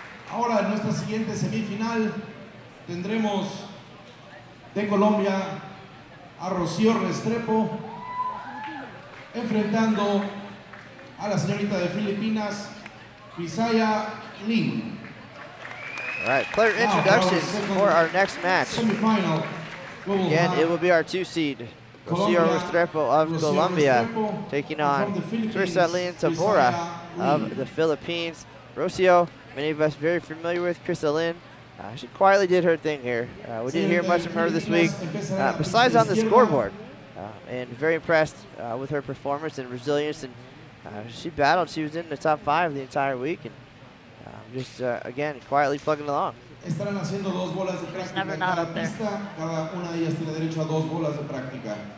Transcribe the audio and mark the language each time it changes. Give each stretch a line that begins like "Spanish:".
Spanish: Ahora en nuestra siguiente semifinal tendremos de Colombia a Rocío Restrepo enfrentando a la señorita de Filipinas, Crisaya Lim.
English: All right, player introductions for our next match. Semifinal. Again, it will be our two seed. Rocío Restrepo of Colombia taking on Crisaya Lim Tabora of the Philippines. Rocío, many of us very familiar with Crisaya Lim. She quietly did her thing here. We didn't hear much from her this week, besides on the scoreboard. And very impressed with her performance and resilience. And she battled. She was in the top five the entire week. And again, quietly plugging along.
Spanish: Estarán haciendo dos bolas de práctica en cada pista. Cada una de ellas tiene derecho a dos bolas de práctica.